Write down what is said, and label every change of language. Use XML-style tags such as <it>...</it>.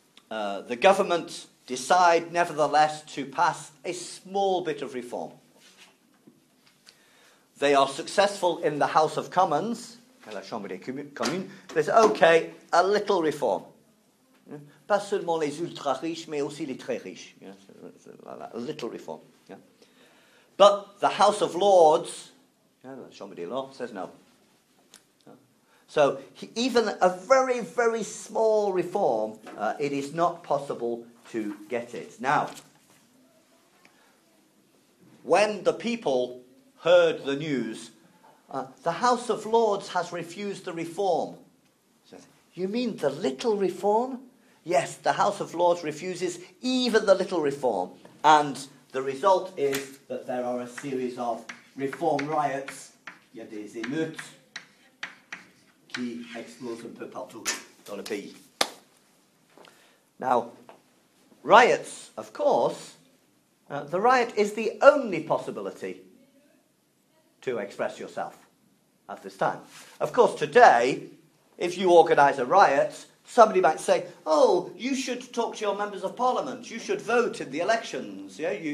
<en>The government decide, nevertheless, to pass a small bit of reform. They are successful in the House of Commons, la Chambre des communes. They say, okay, a little reform. Yeah.</en> <fr>Pas seulement les ultra-riches, mais aussi les très-riches.</fr> <en>Yeah. A little reform. Yeah. But the House of Lords, la Chambre des Lords, says no. So even a very, very small reform, it is not possible to get it. Now, when the people heard the news, the House of Lords has refused the reform. You mean the little reform? Yes, the House of Lords refuses even the little reform. And the result is that there are a series of reform riots,</en> <fr>il y a des émeutes qui explosent un peu partout dans le pays.</fr> <en>Now, riots, of course, the riot is the only possibility to express yourself at this time. Of course, today, if you organise a riot, somebody might say, oh, you should talk to your members of parliament, you should vote in the elections, yeah?</en>